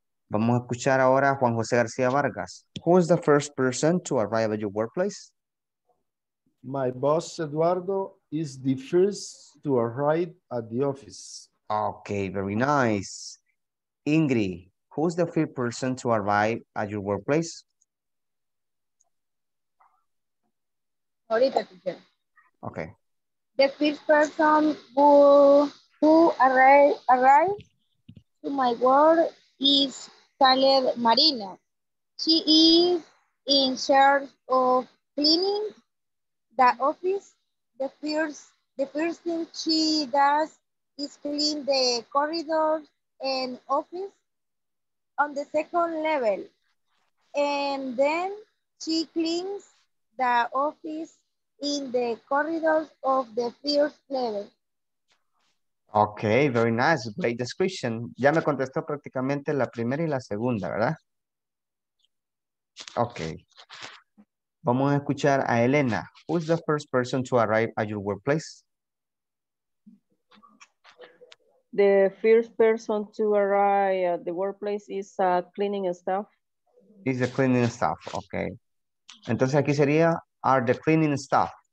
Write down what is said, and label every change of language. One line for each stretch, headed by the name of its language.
Spanish: Vamos a escuchar ahora a Juan José García Vargas.
English: Who is the first person to arrive at your workplace? My boss, Eduardo, is the first to arrive at the office. Okay, very nice. Ingrid, who is the first person to arrive at your workplace? Okay. The first person who arrived to my work is Caleb Marina. She is in charge of cleaning the office. The first thing she does is clean the corridors and office on the second level. And then she cleans the office in the corridors of the first level. Okay, very nice, great description.
Spanish: Ya me contestó prácticamente la primera y la segunda, ¿verdad? Okay. Vamos a escuchar a Elena.
English: Who's the first person to arrive at your workplace? The first person to arrive at the workplace is a cleaning staff. Is the cleaning staff, okay.
Spanish: Entonces aquí sería,
English: are the cleaning staff.